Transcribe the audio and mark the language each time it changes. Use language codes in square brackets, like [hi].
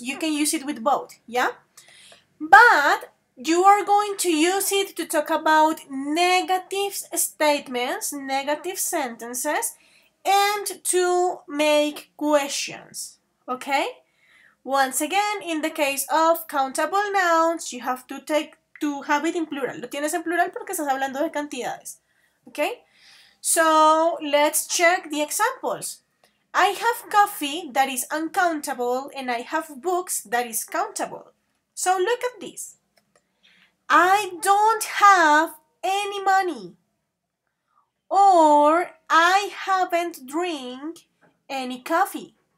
[en] You can use it with both, yeah? But you are going to use it to talk about negative statements, negative sentences, and to make questions, okay? Once again, in the case of countable nouns, you have to have it in plural. [es] Lo tienes en plural porque estás hablando de cantidades. [en] Okay, so let's check the examples. I have coffee that is uncountable and I have books that is countable. So look at this. I don't have any money. Or I haven't drink any coffee.